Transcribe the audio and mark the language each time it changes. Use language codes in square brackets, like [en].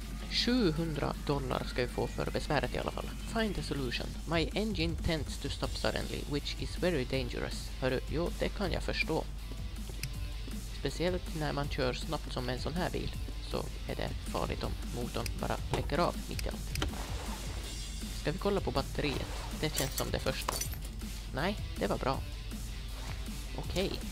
[sv] 700 dollar ska vi få för besväret i alla fall. [en] Find a solution. My engine tends to stop suddenly, which is very dangerous. [sv] Hörru, jo, det kan jag förstå. Speciellt när man kör snabbt som en sån här bil, så är det farligt om motorn bara läcker av mitt i allt. Ska vi kolla på batteriet? Det känns som det första. Nej, det var bra. Okej.